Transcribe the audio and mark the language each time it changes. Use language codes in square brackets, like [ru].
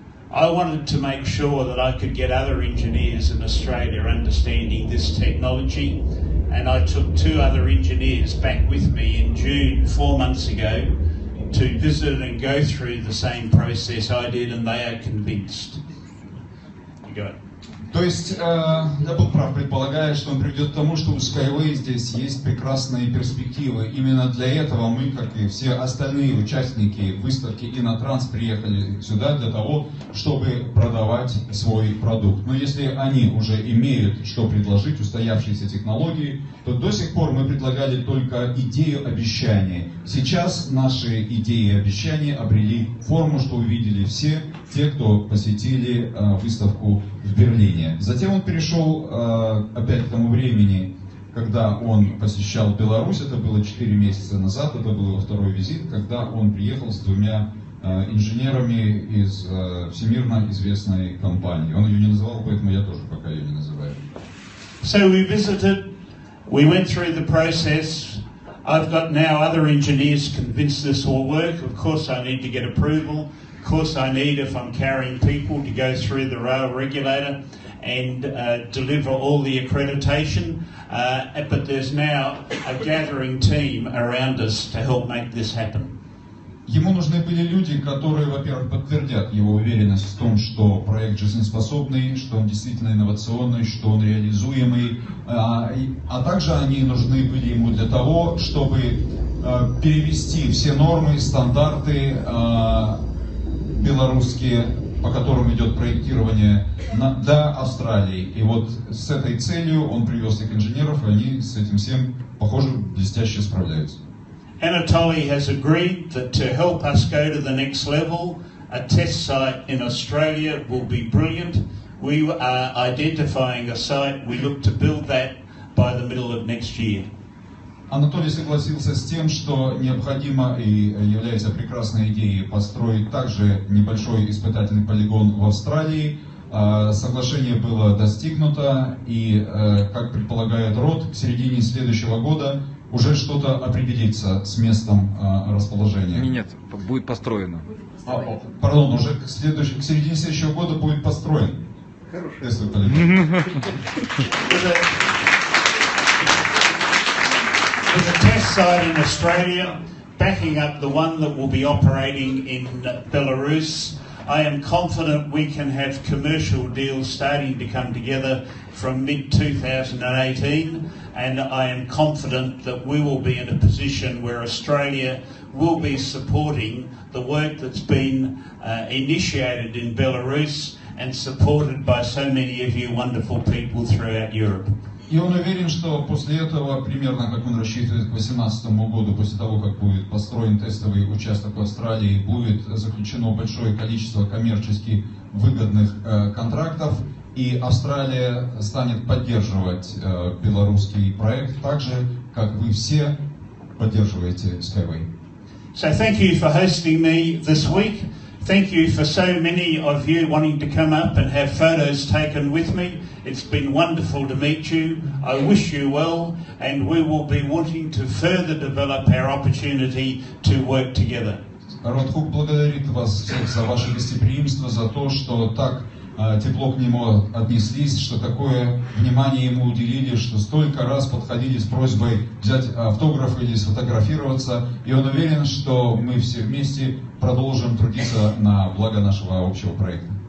[en] I wanted to make sure that I could get other engineers in Australia understanding this technology, and I took two other engineers back with me in June, 4 months ago, to visit and go through the same process I did, and they are convinced. You got it. [ru] То есть, я был прав, предполагая, что он приведет к тому, что у Skyway здесь есть прекрасные перспективы. Именно для этого мы, как и все остальные участники выставки Innotrans, приехали сюда для того, чтобы продавать свой продукт. Но если они уже имеют что предложить, устоявшиеся технологии, то до сих пор мы предлагали только идею обещания. Сейчас наши идеи и обещания обрели форму, что увидели все те, кто посетили выставку в Берлине. Затем он перешел опять к тому времени, когда он посещал Беларусь, это было 4 месяца назад, это был его второй визит, когда он приехал с двумя инженерами из всемирно известной компании. Он ее не называл, поэтому я тоже пока ее не называю. [en] So we visited, we went through the process. I've got now other engineers convinced this will work. Of course I need to get approval. Of course I need, if I'm carrying people, to go through the rail regulator and deliver all the accreditation. But there's now a gathering team around us to help make this happen. [ru] Ему нужны были люди, которые, во-первых, подтвердят его уверенность в том, что проект жизнеспособный, что он действительно инновационный, что он реализуемый. А также они нужны были ему для того, чтобы перевести все нормы, стандарты белорусские, по которым идет проектирование, до Австралии. И вот с этой целью он привез их инженеров, и они с этим всем, похоже, блестяще справляются. [en] Anatoly has agreed that to help us go to the next level, a test site in Australia will be brilliant. We are identifying a site. We look to build that by the middle of next year. [ru] Анатолий согласился с тем, что необходимо и является прекрасной идеей построить также небольшой испытательный полигон в Австралии. Соглашение было достигнуто, и, как предполагает РОД, к середине следующего года уже что-то определится с местом расположения. Нет, будет построено. Пардон, уже к середине следующего года будет построен. Хорошо. [en] There's a test site in Australia, backing up the one that will be operating in Belarus. I am confident we can have commercial deals starting to come together from mid-2018. And I am confident that we will be in a position where Australia will be supporting the work that's been initiated in Belarus and supported by so many of you wonderful people throughout Europe. [ru] И он уверен, что после этого, примерно как он рассчитывает к 2018 году, после того, как будет построен тестовый участок в Австралии, будет заключено большое количество коммерчески выгодных контрактов, и Австралия станет поддерживать белорусский проект так же, как вы все поддерживаете Skyway. [en] So thank you for hosting me this week. Thank you for so many of you wanting to come up and have photos taken with me. It's been wonderful to meet you. I wish you well, and we will be wanting to further develop our opportunity to work together. [ru] Рот Хук благодарит вас всех за ваше гостеприимство, за то, что так тепло к нему отнеслись, что такое внимание ему уделили, что столько раз подходили с просьбой взять автограф или сфотографироваться. И он уверен, что мы все вместе продолжим трудиться на благо нашего общего проекта.